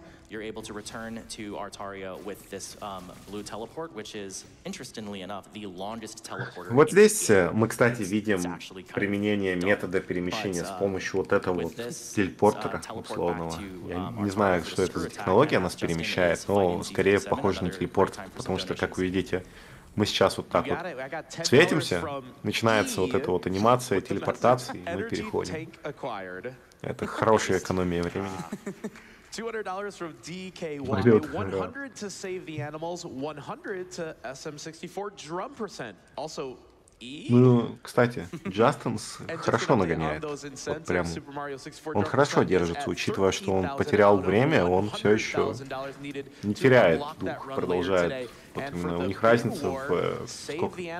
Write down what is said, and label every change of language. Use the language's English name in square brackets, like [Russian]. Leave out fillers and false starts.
[English] You're able to return to Artaria with this blue teleport, which is interestingly enough the longest teleporter. [Russian] Вот здесь мы, кстати, видим применение метода перемещения с помощью вот этого вот телепортера условного. Я не знаю, что это за технология, она нас перемещает, но скорее похоже на телепорт, потому что, как вы видите, мы сейчас вот так вот светимся, начинается вот эта вот анимация телепортации, и мы переходим. Это хорошая экономия времени. [English] $200 from DKY, 100 to save the animals, 100 to SM64 drum percent. [Russian] Also, ну, кстати, Джастинс хорошо нагоняет. Вот прям. Он хорошо держится, учитывая, что он потерял время, он все еще не теряет дух, продолжает. Вот именно, у них разница в сколько?